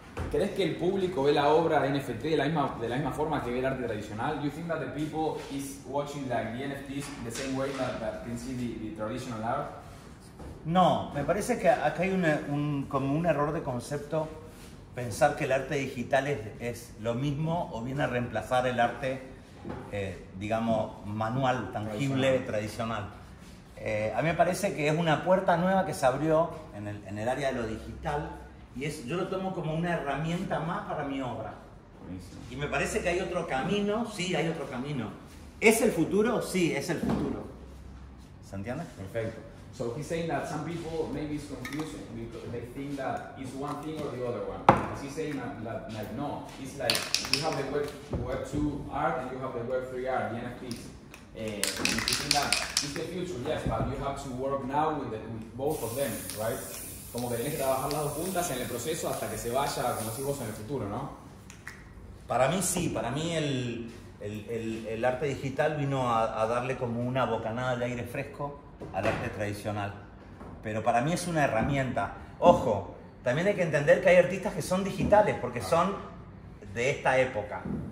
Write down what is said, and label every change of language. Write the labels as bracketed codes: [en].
[es] ¿Crees que el público ve la obra de NFT de la misma forma que ve el arte tradicional? [en] Do you think that the people is watching like the NFTs the same way that can see the traditional art? [es] No, me parece que acá hay un error de concepto pensar que el arte digital es lo mismo o viene a reemplazar el arte, digamos, manual, tangible, tradicional. A mí me parece que es una puerta nueva que se abrió en el área de lo digital. Y es, yo lo tomo como una herramienta más para mi obra. Buenísimo. Y me parece que hay otro camino. Sí, hay otro camino. ¿Es el futuro? Sí, es el futuro. ¿Se entiende? Perfecto. [en] So he's saying that some people maybe is confused because they think that it's one thing or the other one. Because he's saying that like, no, it's like you have the web 2 art and you have the web 3 art, the NFTs. And he's saying that it's the future, yes, but you have to work now with both of them, right? [es] Como que tenés que trabajar las dos juntas en el proceso hasta que se vaya, como decís vos, en el futuro, ¿no? Para mí sí, para mí el arte digital vino a darle como una bocanada de aire fresco al arte tradicional. Pero para mí es una herramienta. Ojo, también hay que entender que hay artistas que son digitales porque son de esta época.